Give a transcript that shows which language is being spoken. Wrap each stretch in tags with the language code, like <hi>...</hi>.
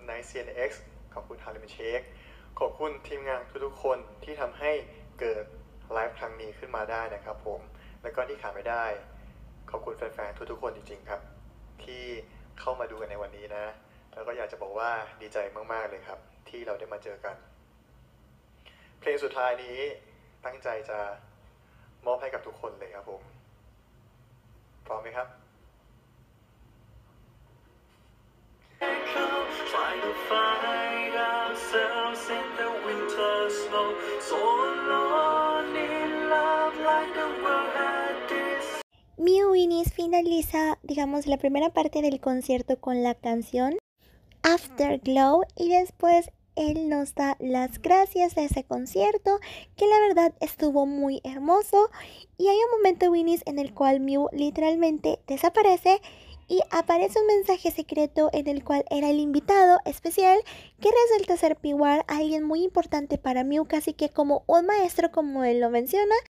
<th>CNX ขอบคุณฮาริมเชคขอบคุณทีมงานทุกๆคนที่ทำให้เกิดไลฟ์ครั้งนี้ขึ้นมาได้นะครับผมและก็ที่ขาดไม่ได้ขอบคุณแฟนๆทุกๆคนจริงๆครับที่เข้ามาดูกันในวันนี้นะแล้วก็อยากจะบอกว่าดีใจมากๆเลยครับที่เราได้มาเจอกันเพลงสุดท้ายนี้ตั้งใจจะมอบให้กับทุกคนเลยครับผมพร้อมไหมครับ</th> <en>Trying to find ourselves in the winter snow, so alone in love like a world at this.</en> <es>Mew Innes finaliza, digamos, la primera parte del concierto con la canción Afterglow y después él nos da las gracias de ese concierto, que la verdad estuvo muy hermoso. Y hay un momento, Innes, en el cual Mew literalmente desaparece y aparece un mensaje secreto en el cual era el invitado especial, que resulta ser Piwar, alguien muy importante para Mew, casi que como un maestro, como él lo menciona.</es>